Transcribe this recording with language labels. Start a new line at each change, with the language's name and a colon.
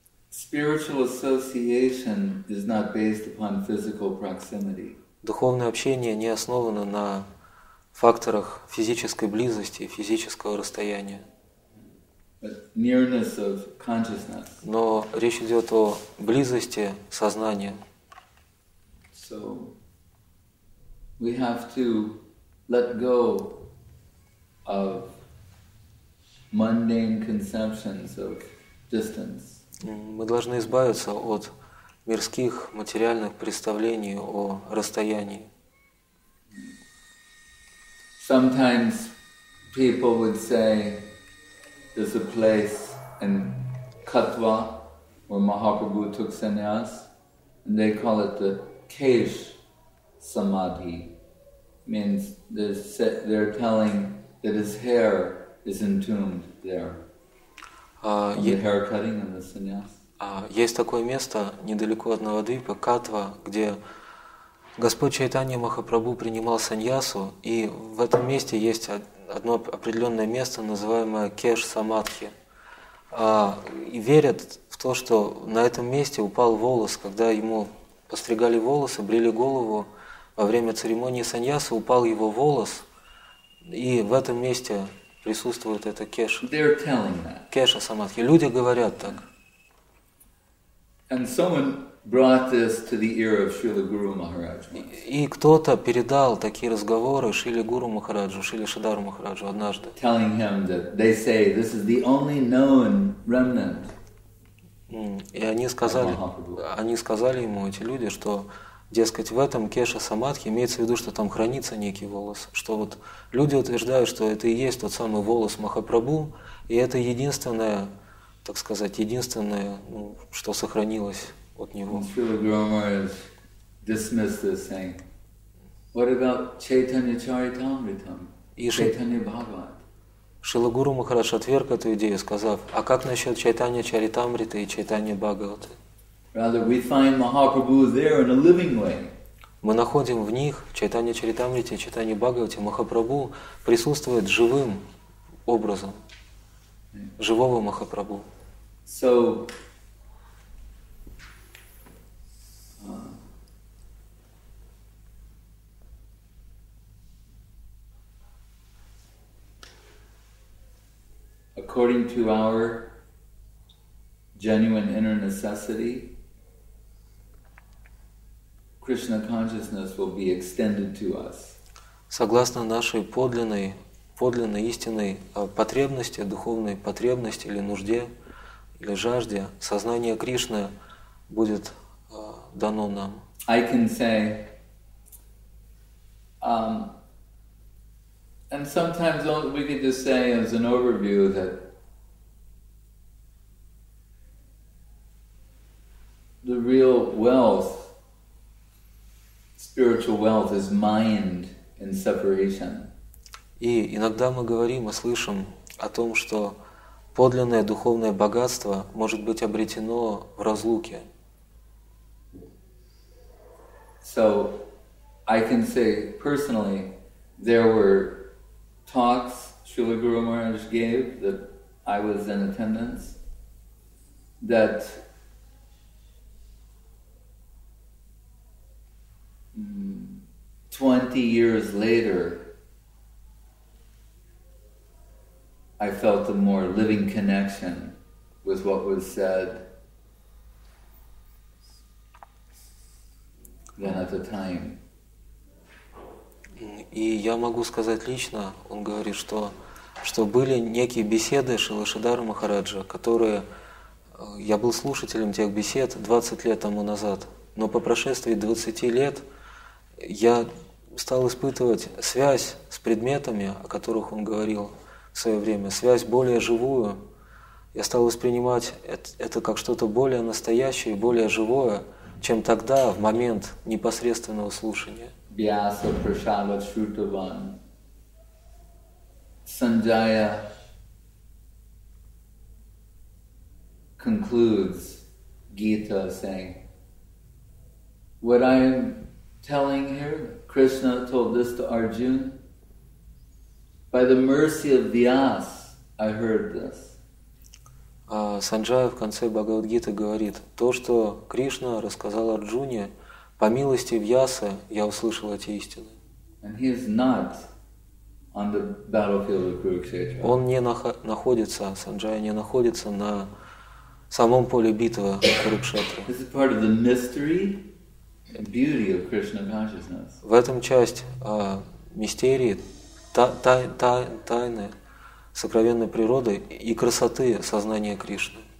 English: Spiritual association is not based upon physical proximity.
Russian: Духовное общение не основано на факторах физической близости, физического расстояния.
English: But nearness of consciousness.
Russian: Но речь идет о близости сознания.
English: So. We have to let go of mundane conceptions of distance.
Russian: Мы должны избавиться от мирских материальных представлений о расстоянии.
English: Sometimes people would say there's a place in Katwa where Mahaprabhu took sannyas, and they call it the Kesh Samadhi. Means they're telling that his hair is entombed there. The hair cutting and the sannyas.
Russian: Есть такое место недалеко от Навадвипа, Катва, где Господь Чайтанья Махапрабху принимал саньясу, и в этом месте есть одно определенное место, называемое Кеш Самадхи. И верят в то, что на этом месте упал волос, когда ему постригали волосы, брили голову. Во время церемонии саньяса упал его волос, и в этом месте присутствует эта кеша.
English: They're telling that.
Russian: Кеша самадхи. Люди говорят так.
English: And someone brought this to the ear of Srila Guru Maharaj.
Russian: И кто-то передал такие разговоры Шриле Гуру Махараджу, Шриле Шридхару Махараджу однажды.
English: Telling him that they say this is the only known remnant.
Russian: И они сказали ему, эти люди, что дескать, в этом кеша самадхи имеется в виду, что там хранится некий волос. Что вот люди утверждают, что это и есть тот самый волос Махапрабху, и это единственное так сказать, единственное, ну, что сохранилось от него.
English: Śrīla Gurumaharaja has dismissed this saying. What about Chaitanya Charitamritam? Chaitanya Bhagavat?
Russian: Śrīla Guru Maharaj отверг эту идею, сказав, а как насчет Chaitanya Charitamrita и Chaitanya Bhagavata?
English: Rather, we find Mahāprabhu there in a living way.
Russian: Мы находим в них, в Чайтанья Чаритамрите, Чайтанья Бхагавате, Махапрабху присутствует живым образом, живого Махапрабху.
English: So, according to our genuine inner necessity, Krishna consciousness will be extended to us.
Russian: Согласно нашей подлинной истинной потребности, духовной потребности или нужде, или жажде, сознание Кришны будет дано нам.
English: I can say, and sometimes we could just say as an overview that the real wealth, spiritual wealth is mind in separation.
Russian: И иногда мы говорим и слышим о том, что подлинное духовное богатство может быть обретено в разлуке.
English: So I can say personally, there were talks Śrīla Guru Maharaj gave that I was in attendance that years later, I felt a more living connection with what was said than at the time.
Russian: И я могу сказать лично, он говорит, что были некие беседы Шрилы Шридхара Махараджа, которые я был слушателем тех бесед 20 лет тому назад, но по прошествии 20 лет я стал испытывать связь с предметами, о которых он говорил в свое время, связь более живую. Я стал воспринимать это как что-то более настоящее, более живое, чем тогда, в момент непосредственного слушания.
Sanskrit: Бьяса Прашава Шрутаван,
English: Санджая concludes Гита, saying, what I am telling here, Krishna told this to Arjuna. By the mercy of Vyas, I heard this.
Russian: Санджая в конце Бхагавад-гиты говорит, то, что Кришна рассказал Арджуне, по милости Вьяса я услышал эти истины.
English: And he is not on the battlefield of Kurukshetra.
Russian: Он не находится, Санджая не находится на самом поле битвы Курукшетры.
English: This is part of the mystery. The beauty of Krishna consciousness.
Russian: В этом часть мистерии, тайны, сокровенной природы и красоты сознания Кришны.